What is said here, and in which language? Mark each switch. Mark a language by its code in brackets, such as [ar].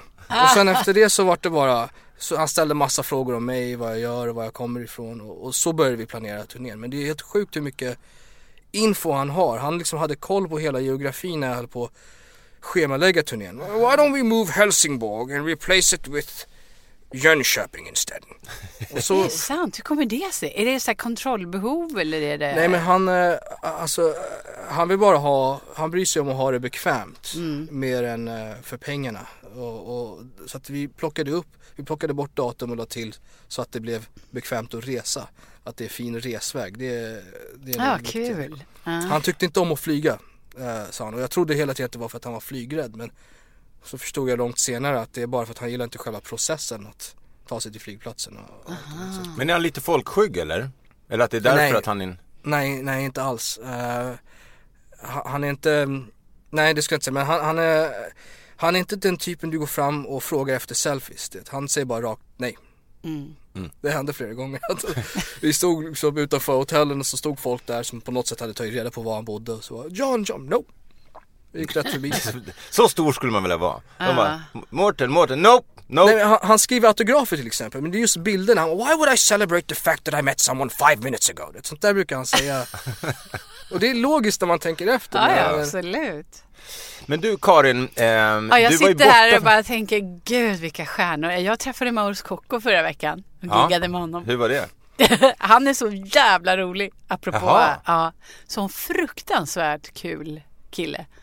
[sv] Och sen efter det så var det bara, så han ställde massa frågor om mig, vad jag gör och var jag kommer ifrån. Och så började vi planera turnén. Men det är helt sjukt hur mycket info han har. Han liksom hade koll på hela geografin när jag höll på schemalägga turnén. [en] Why don't we move Helsingborg and replace it with Jönköping instead? [sv] Och så... Det är sant, hur kommer det sig? Är det så här kontrollbehov eller är det... Nej men han, alltså, han vill bara ha, han bryr sig om att ha det bekvämt mer än för pengarna. Och så att vi plockade bort datum och la till så att det blev bekvämt att resa. Att det är fin resväg. Ja, kul. Han tyckte inte om att flyga. Sa han. Och jag trodde hela tiden att det var för att han var flygrädd, men så förstod jag långt senare att det är bara för att han gillar inte själva processen att ta sig till flygplatsen. Men är han lite folkskygg eller? Eller att det är därför att han... Nej, inte alls. Han är inte... Nej, det ska jag inte säga, men han är inte den typen du går fram och frågar efter selfies. Det. Han säger bara rakt nej. Det hände flera gånger. Vi stod liksom utanför hotellen och så stod folk där som på något sätt hade tagit reda på var han bodde. Och så var John, no. Vi gick rätt förbi. Så stor skulle man vilja vara. De bara, Morten, no. Nej, han skriver autografer till exempel, men det är just bilderna. [en] Why would I celebrate the fact that I met someone 5 minutes ago? [sv] Det sånt där brukar han säga. Och det är logiskt när man tänker efter. Ja, absolut. Men du Karin, jag sitter här och bara tänker, gud vilka stjärnor. Jag träffade Maurice Kocko förra veckan och giggade med honom. Hur var det? Han är så jävla rolig, apropå. Ja, så en fruktansvärt kul kille.